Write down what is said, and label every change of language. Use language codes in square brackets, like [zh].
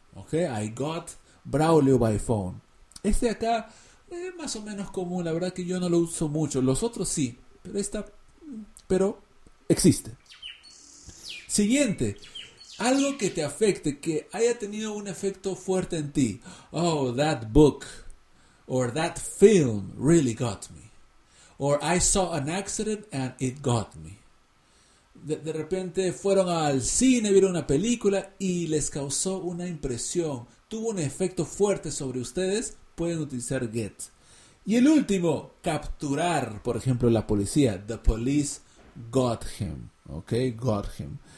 [en] Okay? I got Braulio by phone. [es] Este acá es más o menos común. La verdad que yo no lo uso mucho. Los otros sí, pero esta, pero existe. Siguiente, algo que te afecte, que haya tenido un efecto fuerte en ti. [en] Oh, that book or that film really got me. Or I saw an accident and it got me. [es] De repente fueron al cine, vieron una película y les causó una impresión. Tuvo un efecto fuerte sobre ustedes. Pueden utilizar get. Y el último, capturar, por ejemplo, la policía. [en] The police got him. Ok, got him.